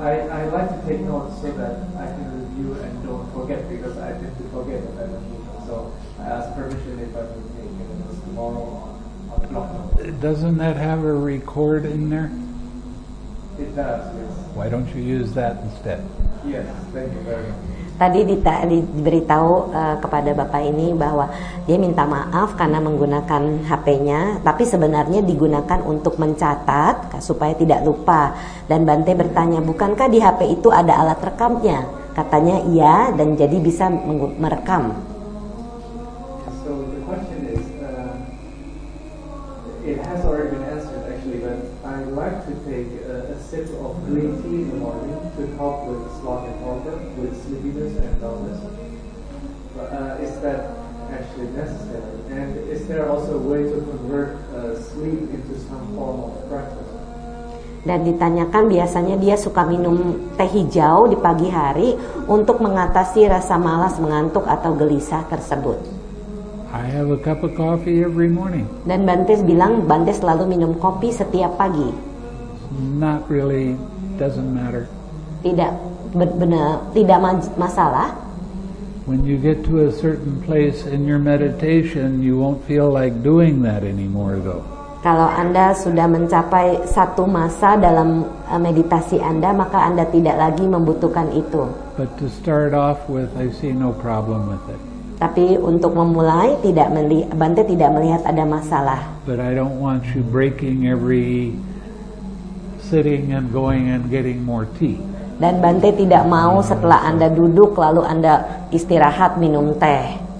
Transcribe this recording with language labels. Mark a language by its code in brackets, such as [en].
[en] I like to take notes so that I can review and don't forget, because I tend to forget what I don't need. So I asked permission if I could take it, and it was tomorrow on. Doesn't that have a record in there? It does, yes. Why don't you use that instead? Yes, thank you very much. [id] Tadi diberitahu kepada Bapak ini bahwa dia minta maaf karena menggunakan HP-nya, tapi sebenarnya digunakan untuk mencatat supaya tidak lupa. Dan Bante bertanya, bukankah di HP itu ada alat rekamnya? Katanya iya, dan jadi bisa merekam. [en] So the question is, it has already been answered actually, but I'd like to take a sip of green tea in the morning to help with sloth and boredom, with sleepiness and dullness. Is that actually necessary? And is there also a way to convert sleep into some form of practice? [id] Dan ditanyakan biasanya dia suka minum teh hijau di pagi hari untuk mengatasi rasa malas, mengantuk atau gelisah tersebut. [en] I have a cup of coffee every morning. [id] Dan Bante bilang Bante selalu minum kopi setiap pagi. [en] Not really, doesn't matter. [id] tidak benar, tidak masalah. [en] When you get to a certain place in your meditation, you won't feel like doing that anymore though. [id] Kalau Anda sudah mencapai satu masa dalam meditasi Anda, maka Anda tidak lagi membutuhkan itu. [en] But to start off with, I see no problem with it. [id] Tapi untuk memulai, Bante tidak melihat ada masalah. [en] But I don't want you breaking every sitting and going and getting more tea. [id] Dan Bante tidak mau setelah Anda duduk lalu Anda istirahat minum teh.